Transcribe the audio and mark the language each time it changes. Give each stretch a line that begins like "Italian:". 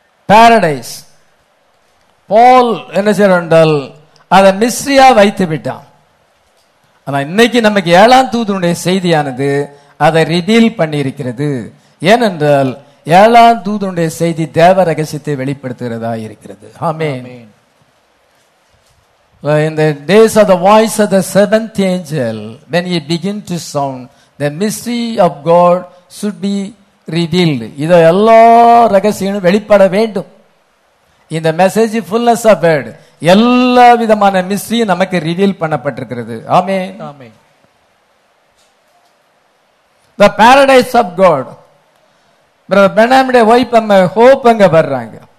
Tamil: Paradise Pavul என்ன செய்யறால், அதை மிஸ்ட்ரியா வைத்து விட்டான். ஆனா இன்னைக்கு நமக்கு ஏழாம் தூதனுடைய செய்தியானது அதை ரிவீல் பண்ணியிருக்கிறது. ஏனென்றால் ஏழாம் தூதனுடைய செய்தி தேவ ரகசியத்தை வெளிப்படுத்துகிறதா இருக்கிறது. ஆமென்.
English: In the days of the voice of the seventh angel, when he begin to sound, the mystery of God should be revealed.
Tamil: இது எல்லா ரகசியமும் வெளிப்பட வேண்டும்.
English: In the message fullness of word,
Tamil: எல்லா விதமான மிஸ்ட்ரியும் நமக்கு reveal பண்ணப்பட்டிருக்கிறது. Amen. Amen.
English: The paradise of God. Brother Benham's wife and hope
Tamil: அங்க வர்றாங்க.